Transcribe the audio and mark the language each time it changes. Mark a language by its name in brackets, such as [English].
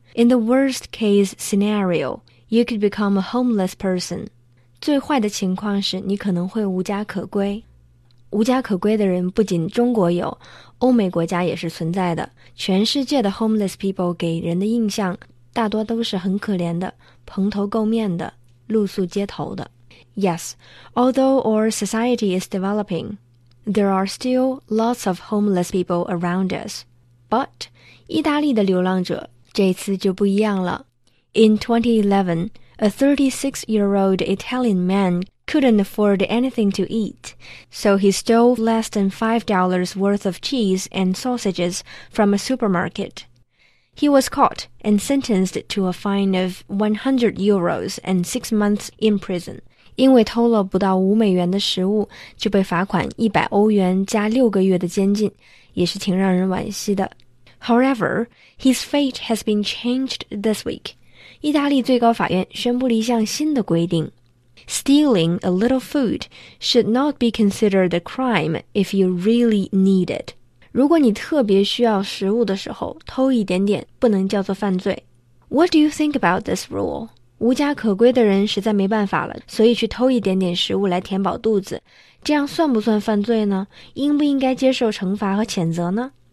[English] In the worst case scenario, you could become a homeless person. [Chinese] 最坏的情况是你可能会无家可归。无家可归的人不仅中国有，欧美国家也是存在的。全世界的 homeless people 给人的印象大多都是很可怜的，蓬头垢面的，露宿街头的。 [English] Yes, although our society is developing, there are still lots of homeless people around us. [Chinese] But, 意大利的流浪者这次就不一样了。 [English] In 2011, a 36-year-old Italian man couldn't afford anything to eat, so he stole less than $5 worth of cheese and sausages from a supermarket. He was caught and sentenced to a fine of 100 euros and 6 months in prison. [Chinese] 因为偷了不到5美元的食物，就被罚款100欧元加6个月的监禁，也是挺让人惋惜的。 [English] However, his fate has been changed this week. [Chinese] 意大利最高法院宣布了一项新的规定。 [English] Stealing a little food should not be considered a crime if you really need it. [Chinese] 如果你特别需要食物的时候，偷一点点不能叫做犯罪。 [English] What do you think about this rule? [Chinese] 无家可归的人实在没办法了，所以去偷一点点食物来填饱肚子，这样算不算犯罪呢？应不应该接受惩罚和谴责呢？